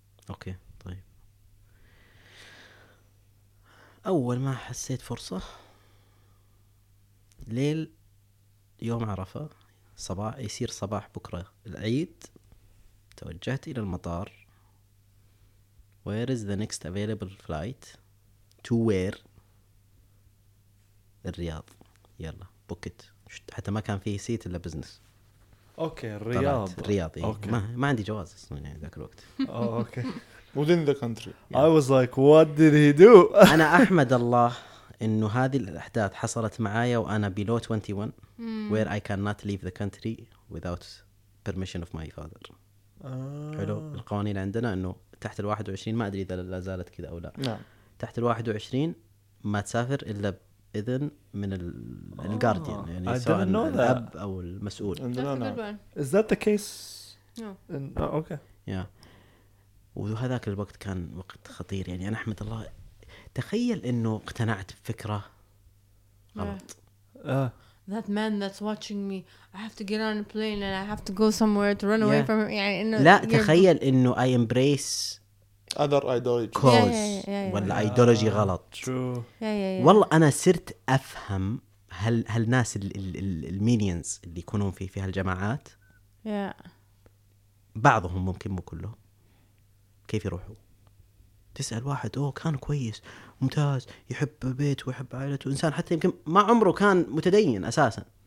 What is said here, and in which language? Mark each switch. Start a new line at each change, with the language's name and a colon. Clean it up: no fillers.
Arabic: اوكي طيب اول ما حسيت فرصه ليل يوم عرفه صباح يصير صباح بكره العيد توجهت الى المطار
English: where is the next available flight to where
Arabic: الرياض يلا بوكيت حتى ما كان فيه سيت الا بزنس اوكي الرياض الرياضي أوكي. ما عندي جواز اصلا يعني ذاك الوقت
English: okay within the country I was like what did he do
Arabic: انا احمد الله انه هذه الاحداث حصلت معايا وانا بلو 21
English: where I cannot leave the country without permission of my father
Arabic: حلو القوانين عندنا انه تحت ال 21 ما ادري اذا لا زالت كذا او لا تحت ال 21 ما تسافر الا إذن من الغارديان يعني سواء الأب أو المسؤول
English: Is that the case? No oh, okay. yeah.
Arabic: وهذاك الوقت كان وقت خطير يعني أنا أحمد الله تخيل أنه اقتنعت بفكرة غلط
English: That man that's watching me I have to get on a plane and I have to go somewhere to run away from him
Arabic: يعني إنه لا تخيل أنه
English: I embrace other ideology
Arabic: cause ولا ايديولوجي غلط
English: true
Arabic: والله انا صرت افهم هل هالناس المينيونز اللي يكونون في هالجماعات بعضهم ممكن مو كلهم كيف يروحوا تسال واحد اوه كان كويس ممتاز يحب بيته ويحب عائلته انسان حتى يمكن ما عمره كان متدين اساسا